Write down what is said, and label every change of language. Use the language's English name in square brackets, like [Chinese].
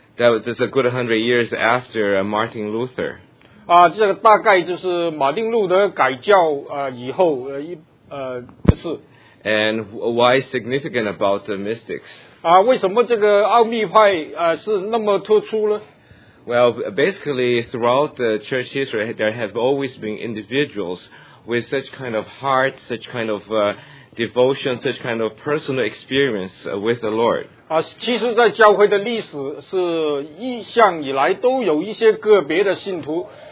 [English] That was a good 100 years after Martin Luther. [Chinese] 这个大概就是马丁路德改教以后的事。 [English] And why is significant about the mystics? [Chinese] 为什么这个奥秘派是那么突出呢？ [English] Well, basically, throughout the church history, there have always been individuals with such kind of heart, such kind of devotion, such kind of personal experience with the Lord. [Chinese] 其实在教会的历史是一向以来都有一些个别的信徒。